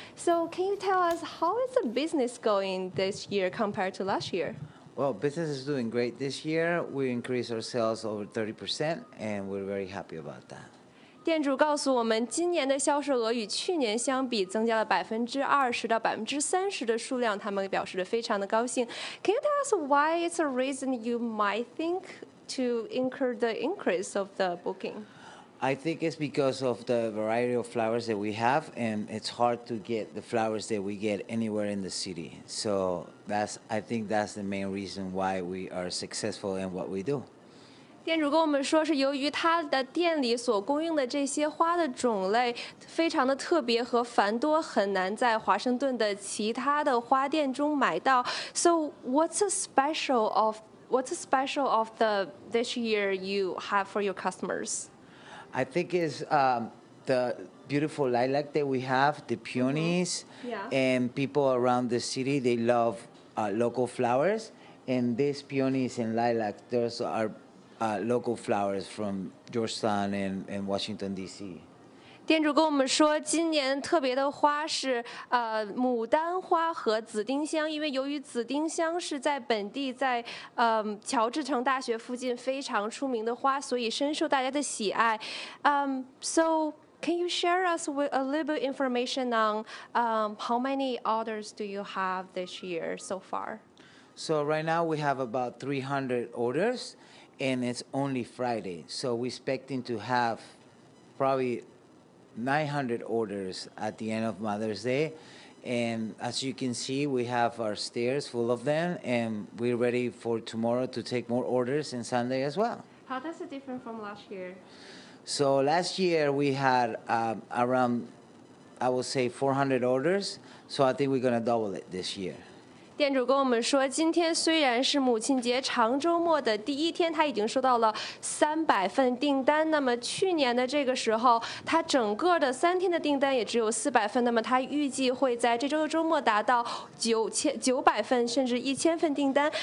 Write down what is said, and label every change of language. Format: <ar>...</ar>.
<en>So, can you tell us how is the business going this year compared to last year? Well, business is doing great this year. We increased our sales over 30%, and we're very happy about that.</en> <zh>店主告诉我们，今年的销售额与去年相比增加了20%到30%的数量，他们表示的非常的高兴。</zh> <en>Can you tell us why it's a reason you might think to incur the increase of the booking? I think it's because of the variety of flowers that we have, and it's hard to get the flowers that we get anywhere in the city. So I think that's the main reason why we are successful in what we do.</en> <zh>店主跟我们说，是由于他的店里所供应的这些花的种类非常的特别和繁多，很难在华盛顿的其他的花店中买到。</zh> <en>So what's special of this year you have for your customers? I think it's the beautiful lilac that we have, the peonies, and people around the city, they love local flowers. And these peonies and lilac, those are... local flowers from Georgetown and Washington, D.C.</en> <zh>店主跟我们说，今年特别的花是牡丹花和紫丁香，因为由于紫丁香是在本地在乔治城大学附近非常出名的花，所以深受大家的喜爱。</zh> <en>So can you share us with a little bit information on how many orders do you have this year so far? So right now we have about 300 orders. And it's only Friday, so we're expecting to have probably 900 orders at the end of Mother's Day. And as you can see, we have our stairs full of them, and we're ready for tomorrow to take more orders and Sunday as well. How does it differ from last year? So last year we had around, I would say, 400 orders. So I think we're going to double it this year.</en> <zh>店主跟我们说，今天虽然是母亲节长周末的第一天，他已经收到了300份订单。那么去年的这个时候，他整个的3天的订单也只有400份。那么他预计会在这周的周末达到900份，甚至1000份订单。</zh>